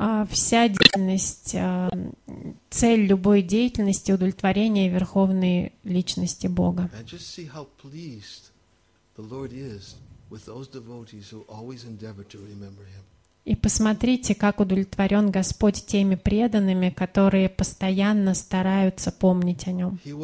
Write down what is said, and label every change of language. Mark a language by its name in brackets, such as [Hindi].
[Russian] Вся деятельность, цель любой деятельности — удовлетворение Верховной Личности Бога. [English] And just see how pleased the Lord is with those devotees who always endeavor to remember Him. [Russian] И посмотрите, как удовлетворен Господь теми преданными, которые постоянно стараются помнить о Нем.